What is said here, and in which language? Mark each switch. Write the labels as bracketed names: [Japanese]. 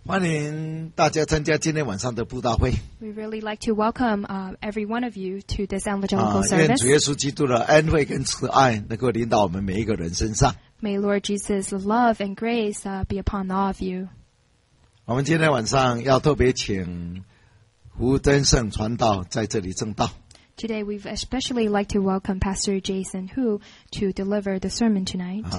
[Chinese] 欢迎大家参加今天晚上的布道会。 [English] We really like to welcome every one of you to this evangelical service. [Chinese] 愿主耶稣基督的恩惠跟慈爱能够临到我们每一个人身上。 [English] May Lord Jesus' love and grace be upon all of you. [Chinese] 我们今天晚上要特别请胡登胜传道在这里证道。 [English] Today we'd especially like to welcome Pastor Jason Hu to deliver the sermon tonight.